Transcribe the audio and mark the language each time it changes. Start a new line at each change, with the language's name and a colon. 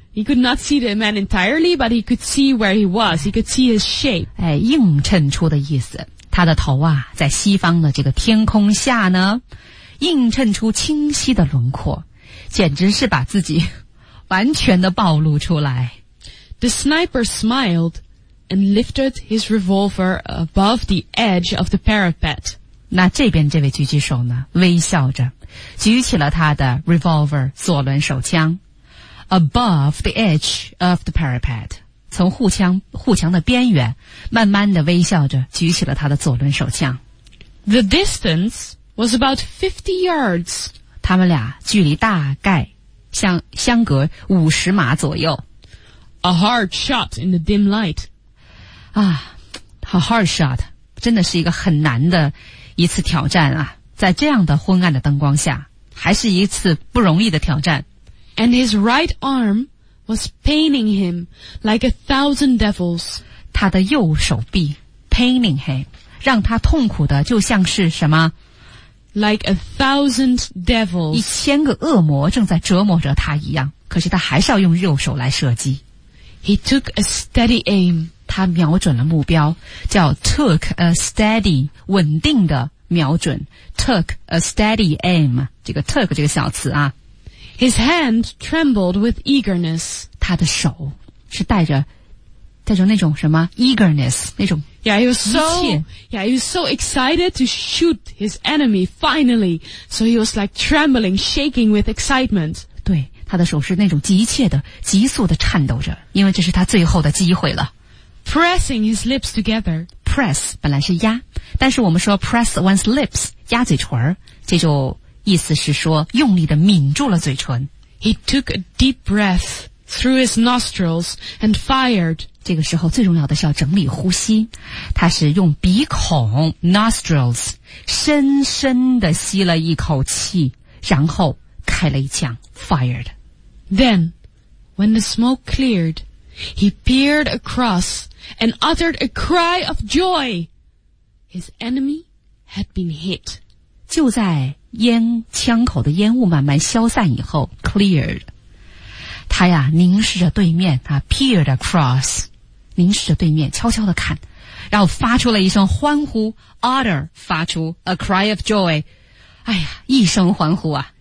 English: You could not see the man entirely, but you could see where he was, you could see his shape.
Chinese: 哎，映衬出的意思，他的头啊，在西方的这个天空下呢，映衬出清晰的轮廓，简直是把自己完全的暴露出来。
English: The sniper smiled and lifted his revolver above the edge of the parapet.
Chinese: 那这边这位狙击手呢，微笑着，举起了他的 revolver 左轮手枪
English: above the edge of the parapet.
Chinese: 从护墙的边缘，慢慢的微笑着举起了他的左轮手枪。
English: The distance was about 50 yards.
Chinese: 他们俩距离大概相隔50码左右。
English: A hard shot in the dim light.
Chinese: 啊 ,
English: a hard shot,
Chinese: 真的是一个很难的一次挑战啊。在这样的昏暗的灯光下还是一次不容易的挑战。
English: And his right arm was paining him like 1,000 devils.
Chinese: 他的右手臂 ,
English: paining him,
Chinese: 让他痛苦的就像是什么
English: Like 1,000 devils.
Chinese: 一千个恶魔正在折磨着他一样，可是他还是要用右手来射击。
English: He took a steady aim.
Chinese: 他瞄准了目标，叫
English: took a steady,
Chinese: 稳定的瞄准。
English: Took a steady aim.
Chinese: 这个 took 这个小词啊。
English: His hand trembled with eagerness.
Chinese: 他的手是带着那种什么 eagerness, 那种
English: Yeah, he was so excited to shoot his enemy, finally. So he was like trembling, shaking with excitement.
Chinese: 对，他的手是那种急切的，急速的颤抖着，因为这是他最后的机会了。
English: Pressing his lips together.
Chinese: Press, 本来是压，但是我们说
English: press one's lips,
Chinese: 压嘴唇，这就意思是说用力的抿住了嘴唇。
English: He took a deep breath through his nostrils and fired.
Chinese: 这个时候最重要的是要整理呼吸，他是用鼻孔 nostrils 深深地吸了一口气，然后开了一枪 fired.
English: Then, when the smoke cleared, he peered across and uttered a cry of joy. His enemy had been hit.
Chinese: 就在烟枪口的烟雾慢慢消散以后 cleared. 他呀凝视着对面啊
English: peered across
Chinese: 凝视着对面悄悄地看，然后发出了一声欢呼 utter 发出
English: a cry of joy，
Chinese: 哎呀一声欢呼啊